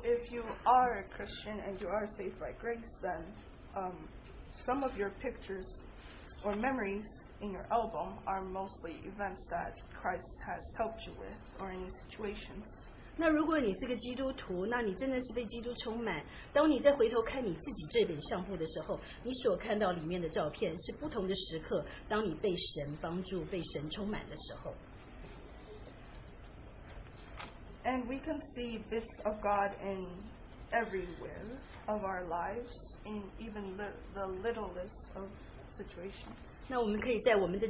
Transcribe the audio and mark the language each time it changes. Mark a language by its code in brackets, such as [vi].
[en] if you are a Christian and you are saved by grace, then some of your pictures or memories in your album are mostly events that Christ has helped you with or any situations. [zh] 那如果你是个基督徒，那你真的是被基督充满。当你再回头看你自己这本相簿的时候，你所看到里面的照片是不同的时刻。当你被神帮助、被神充满的时候。 [en] And we can see bits of God in everywhere of our lives, in even the littlest of situations.